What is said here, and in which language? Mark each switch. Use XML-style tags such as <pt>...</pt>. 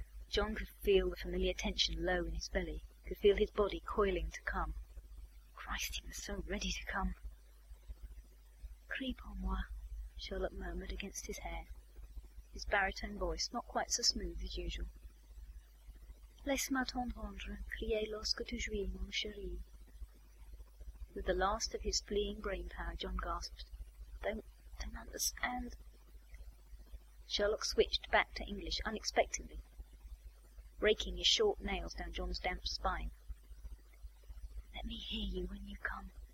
<en>John could feel the familiar tension low in his belly, could feel his body coiling to come. Christ, he was so ready to come.</en> <fr>Creep en moi,</fr> <en>Sherlock murmured against his hair, his baritone voice not quite so smooth as usual.</en> <fr>Laisse-moi t'entendre, crier lorsque tu jouis, mon chéri.</fr> <en>With the last of his fleeing brain power, John gasped, Don't understand. Sherlock switched back to English unexpectedly, raking his short nails down John's damp spine. Let me hear you when you come.</en>